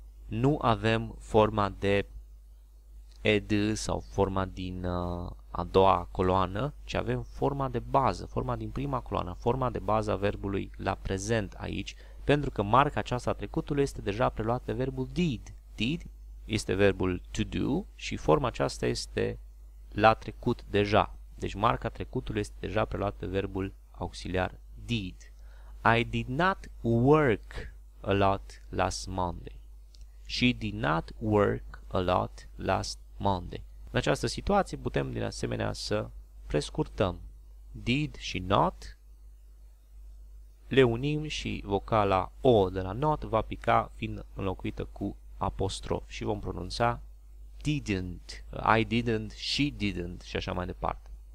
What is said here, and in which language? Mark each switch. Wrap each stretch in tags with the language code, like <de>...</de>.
<ro>Nu avem forma de ed sau forma din a doua coloană, ci avem forma de bază, forma din prima coloană, forma de bază a verbului la prezent aici, pentru că marca aceasta a trecutului este deja preluată de verbul did. Did este verbul to do și forma aceasta este la trecut deja. Deci marca trecutului este deja preluată de verbul auxiliar did.</ro> <en>I did not work a lot last Monday. She did not work a lot last Monday.</en> <ro>În această situație putem din asemenea să prescurtăm. Did și not le unim și vocala O de la not va pica fiind înlocuită cu apostrof și vom pronunța didn't,</ro> <en>I didn't, she didn't</en> <ro>și așa mai departe.</ro>